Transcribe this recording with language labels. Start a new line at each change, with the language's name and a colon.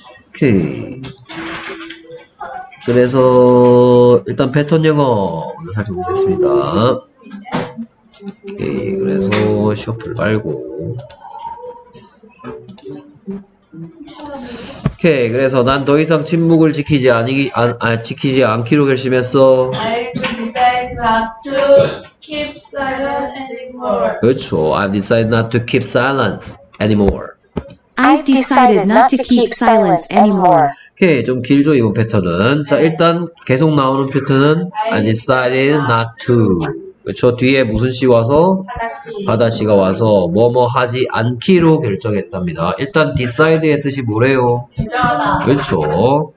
Korean: 오케이. 그래서 일단 패턴 영어 살펴보겠습니다. 오케이. 그래서 셔플 말고. 오케이. 그래서 난더 이상 침묵을 지키지 아니 아, 아 지키지 않기로 결심했어.
English: Not to keep silent anymore.
Korean: 그렇죠.
English: I've decided not to keep silence anymore. I've decided not to keep silence anymore.
Korean: 오케이, 좀 길죠, 이번 패턴은. 자, 일단 계속 나오는 패턴은
English: I decided not to.
Korean: 그쵸, 뒤에 무슨 씨 와서? 하다시가 와서 뭐뭐 하지 않기로 결정했답니다. 일단 decide의 뜻이 뭐래요? 그렇죠.